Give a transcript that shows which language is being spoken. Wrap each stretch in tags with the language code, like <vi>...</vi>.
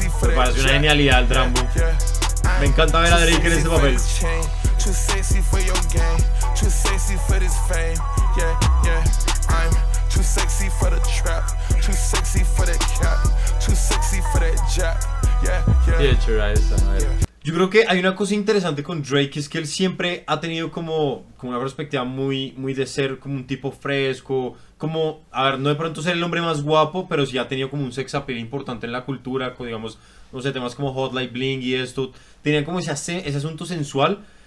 <es>Me parece una genialidad el Rambo. Me encanta ver a Drake en este papel.</es> <en>Too sexy for your game, too sexy for this fame, yeah, yeah. I'm too sexy for the trap, too sexy for that cap, too sexy for that jack, yeah, yeah.</en> <es>Yo creo que hay una cosa interesante con Drake, es que él siempre ha tenido como una perspectiva muy, muy de ser como un tipo fresco, como, a ver, no de pronto ser el hombre más guapo, pero sí ha tenido como un sex appeal importante en la cultura, con, digamos, no sé, temas como Hotline Bling y esto, tenían como ese asunto sensual.</es>